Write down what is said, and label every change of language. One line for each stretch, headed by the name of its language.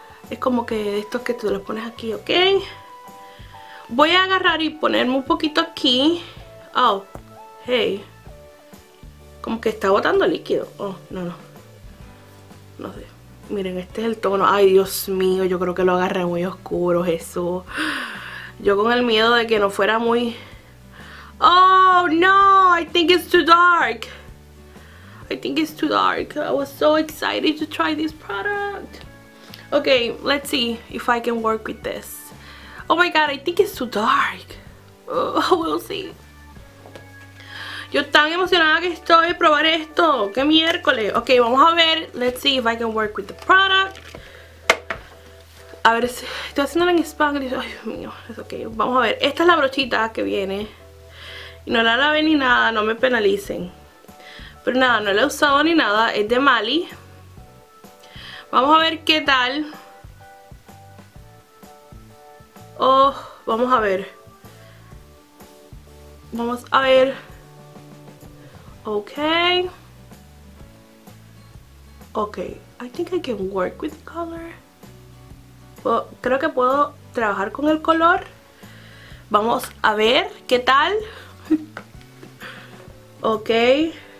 Spanish: Es como que estos que tú los pones aquí, ok. Voy a agarrar y ponerme un poquito aquí. Oh, hey. Como que está botando líquido. Oh, no, no. No sé. Miren, este es el tono. Ay, Dios mío, yo creo que lo agarré muy oscuro, Jesús. Yo con el miedo de que no fuera muy...
English: Oh, no, I think it's too dark. I think it's too dark. I was so excited to try this product. Okay, let's see if I can work with this. Oh my god, I think it's too dark. We'll see.
Spanish: Yo tan emocionada que estoy a probar esto. ¡Qué miércoles! Ok, vamos a ver.
English: Let's see if I can work with the product.
Spanish: A ver si... Estoy haciéndolo en Spanglish. Ay, Dios mío. Es ok. Vamos a ver. Esta es la brochita que viene. Y no la lavé ni nada. No me penalicen. Pero nada, no la he usado ni nada. Es de Mali. Vamos a ver qué tal. Oh, vamos a ver. Vamos a ver. Okay.
English: Okay, I think I can work with color.
Spanish: Well, creo que puedo trabajar con el color. Vamos a ver qué tal.
English: Okay.